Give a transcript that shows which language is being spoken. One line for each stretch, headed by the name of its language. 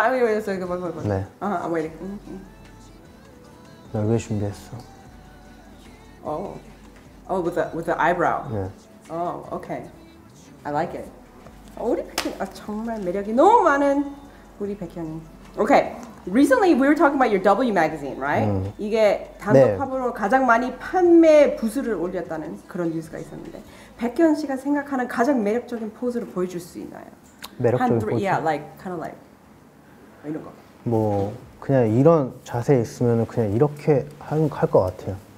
English: I'm waiting.
Korean: 네.
English: I'm waiting.
Korean: 널 위해 준비했어.
English: Oh. Oh, with the eyebrow.
Korean: 네.
English: Oh, okay. I like it.
Korean: 우리 백현이 아, 정말 매력이 너무 많은 우리 백현이.
English: Okay. Recently, we were talking about your W magazine, right?
Korean: 이게 단독팝으로 네. 가장 많이 판매 부수를 올렸다는 그런 뉴스가 있었는데. 백현 씨가 생각하는 가장 매력적인 포즈를 보여줄 수 있나요? 매력적인 포즈?
English: Yeah, like, kind of like,
Korean: 이런 거. 뭐 그냥 이런 자세 있으면 그냥 이렇게 할 것 같아요.